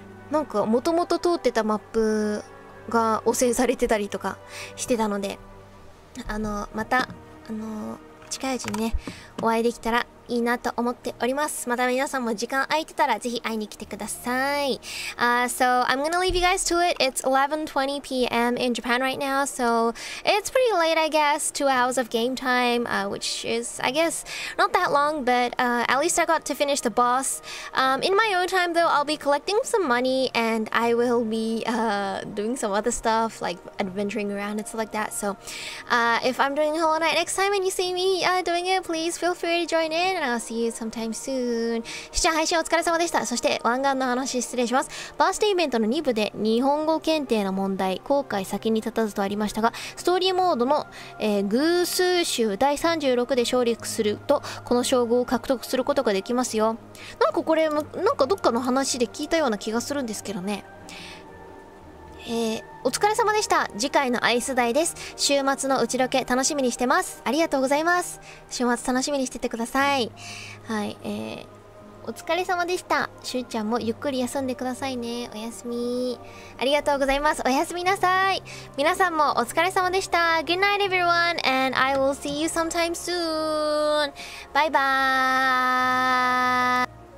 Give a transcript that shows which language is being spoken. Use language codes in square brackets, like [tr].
[ja] なんか元々通ってたマップが汚染されてたりとかしてたので、また、近いうちにね、お会いできたらいいなと思っております。また皆さんも時間空いてたらぜひ会いに来てください。 [en] So I'm gonna leave you guys to it. It's 11:20 p.m. in Japan right now, so it's pretty late, I guess. 2 hours of game time, which is, I guess, not that long, but at least I got to finish the boss. In my own time though, I'll be collecting some money and I will be doing some other stuff like adventuring around and stuff like that. So if I'm doing Hollow Knight next time and you see me doing it, please feel free to join in and I'll see you sometime soon. [ja] 視聴配信お疲れ様でした。そして湾岸の話失礼します。バースデーイベントの2部で日本語検定の問題後悔先に立たずとありましたが、ストーリーモードの、偶数集第36で勝利するとこの称号を獲得することができますよ。なんかこれなんかどっかの話で聞いたような気がするんですけどね。お疲れ様でした。次回のアイス台です。週末のうちロケ楽しみにしてます。ありがとうございます。週末楽しみにしててください。はい、お疲れ様でした。しゅうちゃんもゆっくり休んでくださいね。おやすみ。ありがとうございます。おやすみなさい。皆さんもお疲れ様でした。 [en] Good night everyone and I will see you sometime soon. Bye bye.